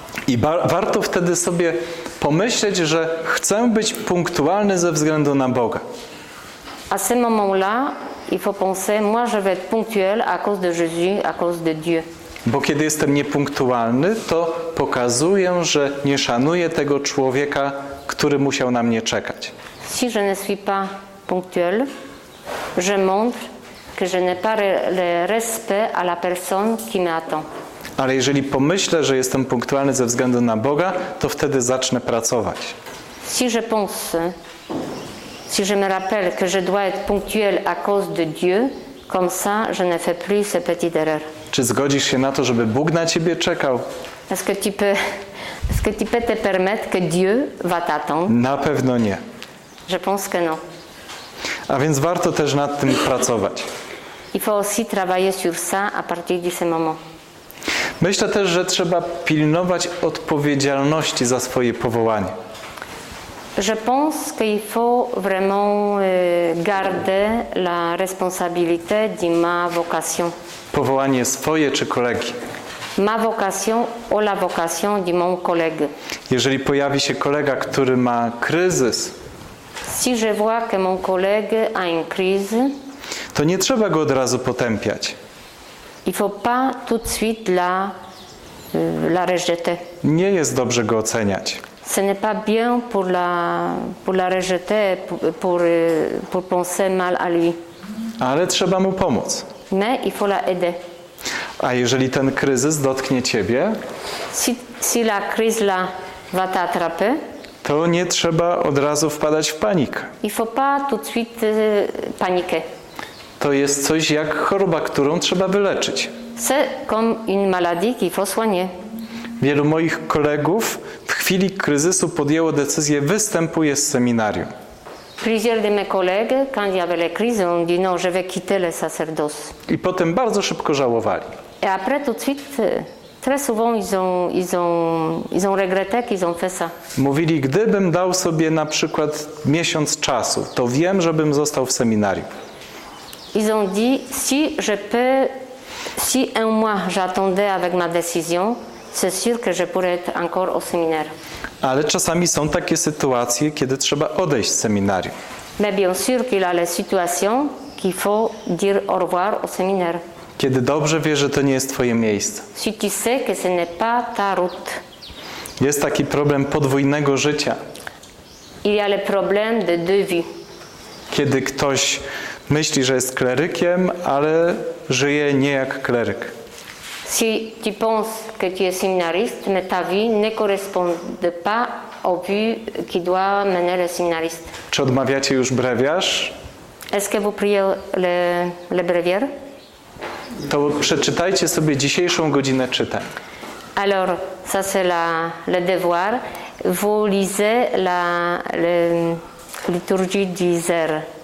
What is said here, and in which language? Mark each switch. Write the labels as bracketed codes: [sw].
[pl] I warto wtedy sobie pomyśleć, że chcę być punktualny ze względu na Boga. [fr] À ce moment-là, il faut penser, moi je vais être ponctuel à cause de Jésus, à cause de Dieu. [pl] Bo kiedy jestem niepunktualny, to pokazuję, że nie szanuję tego człowieka, który musiał na mnie czekać. [fr] Si je ne suis pas ponctuel, je montre que je n'ai pas le respect à la personne qui m'attend. [pl] Ale jeżeli pomyślę, że jestem punktualny ze względu na Boga, to wtedy zacznę pracować. [fr] Si je pense, si je me rappelle que je dois être ponctuel à cause de Dieu, comme ça je ne fais plus ces petites erreurs. [pl] Czy zgodzisz się na to, żeby Bóg na ciebie czekał? [fr] Est-ce que tu peux te permettre que Dieu va t'attendre? [pl] Na pewno nie. [fr] Je pense que non. [pl] A więc warto też nad tym pracować. [fr] Il faut aussi travailler sur ça à partir de ce moment. [pl] Myślę też, że trzeba pilnować odpowiedzialności za swoje powołanie. [fr] Je pense qu'il faut vraiment garder la responsabilité de ma vocation. [pl] Powołanie swoje czy kolegi. [fr] Ma vocation ou la vocation de mon collègue. [pl] Jeżeli pojawi się kolega, który ma kryzys. [fr] Si je vois que mon collègue a une crise. [pl] To nie trzeba go od razu potępiać. [fr] Il faut pas tout de suite la rejeter. [pl] Nie jest dobrze go oceniać. [fr] Ce n'est pas bien pour la rejeter, pour penser mal à lui. [pl] Ale trzeba mu pomóc. [fr] Mais il faut l'aider. [pl] A jeżeli ten kryzys dotknie ciebie? [fr] Si la crise là va t'attraper. [pl] To nie trzeba od razu wpadać w panikę. [fr] Il faut pas tout de suite paniquer. [pl] To jest coś jak choroba, którą trzeba wyleczyć. [fr] C'est comme une maladie qu'il faut soigner. [pl] Wielu moich kolegów w chwili kryzysu podjęło decyzję, występuje z seminarium. [fr] Plusieurs de mes collègues, quand il y avait la crise, ont dit non, je vais quitter le sacerdoce. [pl] I potem bardzo szybko żałowali. [fr] Et après tout de suite, très souvent ils ont regretté qu'ils ont fait ça. [pl] Mówili, gdybym dał sobie na przykład miesiąc czasu, to wiem, żebym został w seminarium. [fr] Ils ont dit si je peux, si un mois j'attendais avec ma décision, c'est sûr que je pourrais être encore au séminaire. [pl] Ale czasami są takie sytuacje, kiedy trzeba odejść z seminarium. [fr] Mais bien sûr qu'il y a les situations qu'il faut dire au revoir au séminaire. [pl] Kiedy dobrze wiesz, że to nie jest twoje miejsce. [fr] Si tu sais que ce n'est pas ta route. [pl] Jest taki problem podwójnego życia. [fr] Il y a le problème de deux vies. [pl] Kiedy ktoś myśli, że jest klerykiem, ale żyje nie jak kleryk. [fr] Si tu penses que tu es séminariste, mais ta vie ne correspond pas au but qui doit mener le séminariste. [pl] Czy odmawiacie już brewiarz? [fr] Est-ce que vous priez le brevier? [pl] To przeczytajcie sobie dzisiejszą godzinę czytań. [fr] Alors, ça c'est le devoir. Vous lisez la liturgie des heures.